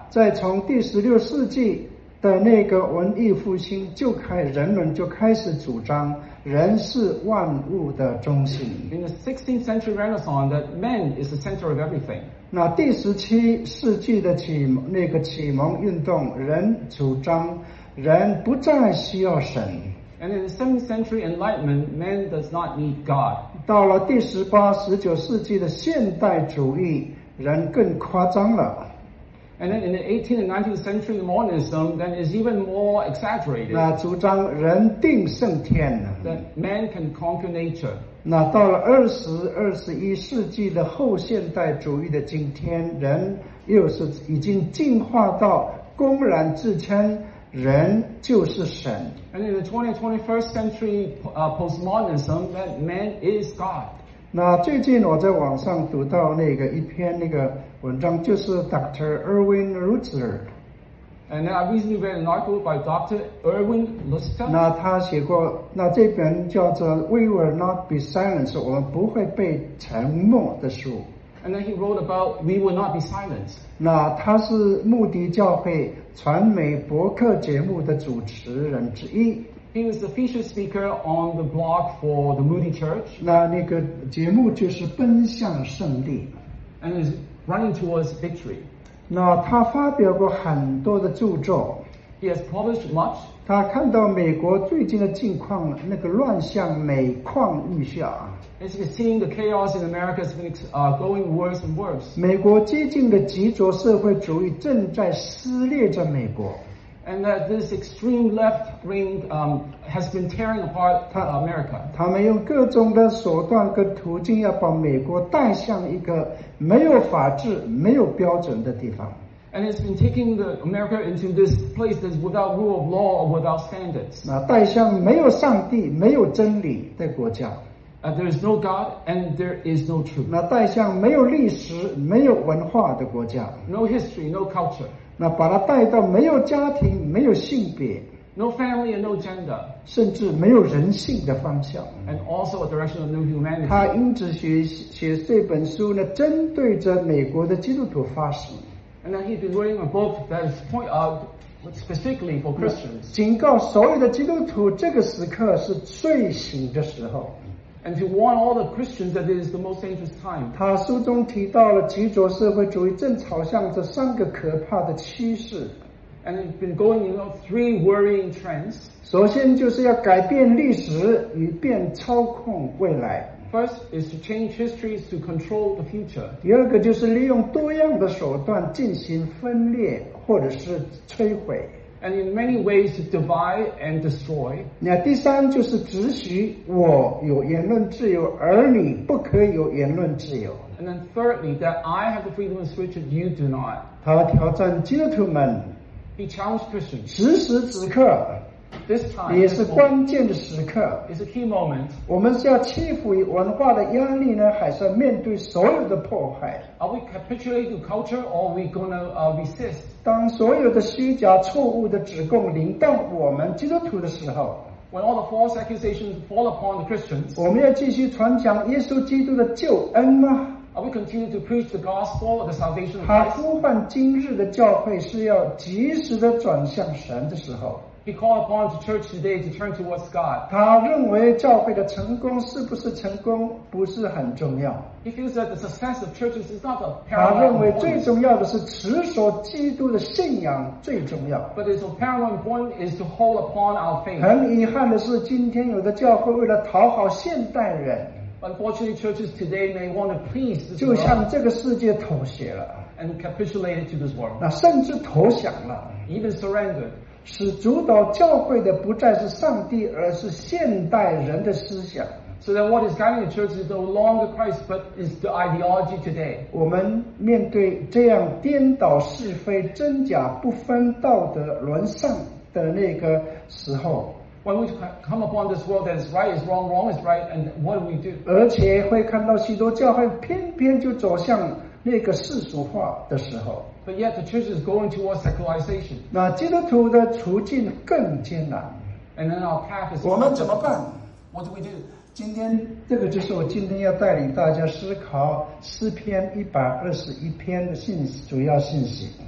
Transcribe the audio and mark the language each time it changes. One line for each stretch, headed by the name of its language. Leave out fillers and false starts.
Chinese: 在从第十六世纪的那个文艺复兴就开，人们就开始主张人是万物的中心。
English: In the 16th century Renaissance, that man is the center of everything.
Chinese: 那第十七世纪的启蒙运动，人主张人不再需要神。
English: And in the 7th century Enlightenment, man does not need God.
Chinese: 到了第十八、十九世纪的现代主义，人更夸张了。
English: And then in the 18th and 19th century Modernism, then is even more exaggerated.
Chinese: 那主张人定胜天。
English: That man can conquer nature.
Chinese: 那到了二十、二十一世纪的后现代主义的今天，人又是已经进化到公然自称。人就是神。
English: And in the 20th, 21st century postmodernism, that man is God.
Chinese: 那最近我在网上读到那个一篇那个文章，就是 Dr.
English: Erwin Lutzer. And I recently read an article by Dr. Erwin Lutzer.
Chinese: 那他写过，那这本叫做 We Will Not Be Silenced, 我们不会被沉默的书。
English: And then he wrote about We Will Not Be Silenced.
Chinese: 那他是牧笛教会传媒博客节目的主持人之一。
English: He was the featured speaker on the blog for the Moody Church.
Chinese: 那个节目就是奔向胜利。
English: And is running towards victory.
Chinese: 那他发表过很多的著作。
English: He has published much.
Chinese: 他看到美国最近的境况，那个乱象每况愈下。
English: As you can see, the chaos in America has been going worse and worse.
Chinese: 美国激进的极左社会主义正在撕裂着美国。
English: And that this extreme left wing has been tearing apart America.
Chinese: 他们用各种的手段跟途径要把美国带向一个没有法治、没有标准的地方。
English: And it's been taking the America into this place that's without rule of law or without standards.
Chinese: 那带向没有上帝、没有真理的国家。
English: There is no God and there is no truth.
Chinese: 那带向没有历史、没有文化的国家。
English: No history, no culture.
Chinese: 那把它带到没有家庭、没有性别。
English: No family and no gender.
Chinese: 甚至没有人性的方向。
English: And also a direction of no humanity.
Chinese: 他因此写这本书呢，针对着美国的基督徒发声。
English: And then he's been writing a book that is point out specifically for Christians.
Chinese: 警告所有的基督徒，这个时刻是睡醒的时候。
English: And to warn all the Christians that it is the most dangerous time.
Chinese: 他书中提到了极左社会主义正朝向这三个可怕的趋势。
English: And it's been going in three worrying trends.
Chinese: 首先就是要改变历史以便操控未来。
English: First is to change history to control the future.
Chinese: 第二个就是利用多样的手段进行分裂或者是摧毁。
English: And in many ways to divide and destroy.
Chinese: 那第三就是只许我有言论自由，而你不可以有言论自由。
English: And then thirdly, that I have the freedom of speech and you do not.
Chinese: 他挑战基督徒们。
English: He challenged Christians.
Chinese: 此时此刻
English: ，this time
Chinese: 也是关键的时刻。
English: It's a key moment.
Chinese: 我们是要屈服于文化的压力呢，还是要面对所有的迫害
English: ？Are we capitulating to culture or are we gonna resist?
Chinese: 当所有的虚假、错误的指控临到我们基督徒的时候
English: ，When all the false accusations fall upon the Christians,
Chinese: 我们要继续传讲耶稣基督的救恩吗？
English: Are we continue to preach the gospel or the salvation of Christ?
Chinese: 他呼唤今日的教会是要及时的转向神的时候。
English: He called upon the church today to turn towards God.
Chinese: 他认为教会的成功是不是成功不是很重要。
English: He feels that the success of churches is not a paramount
Chinese: 他认为最重要的是持守基督的信仰最重要。
English: But its paramount point is to hold upon our faith.
Chinese: 很遗憾的是今天有的教会为了讨好现代人。
English: Unfortunately, churches today may want to please this world.
Chinese: 就向这个世界妥协了
English: ，and capitulated to this world.
Chinese: 那甚至投降了
English: ，even surrendered.
Chinese: 使主导教会的不再是上帝，而是现代人的思想。
English: So that what is guiding the church is no longer Christ, but is the ideology today.
Chinese: 我们面对这样颠倒是非、真假不分、道德沦丧的那个时候。
English: When we come upon this world that is right is wrong, wrong is right, and what do we do?
Chinese: 而且会看到许多教会偏偏就走向那个世俗化的时候。
English: But yet the church is going towards secularization.
Chinese: 那基督徒的处境更艰难。
English: And then our path is.
Chinese: 我们怎么办
English: ？What do we do?
Chinese: 今天这个就是我今天要带领大家思考诗篇一百二十一篇的信息主要信息。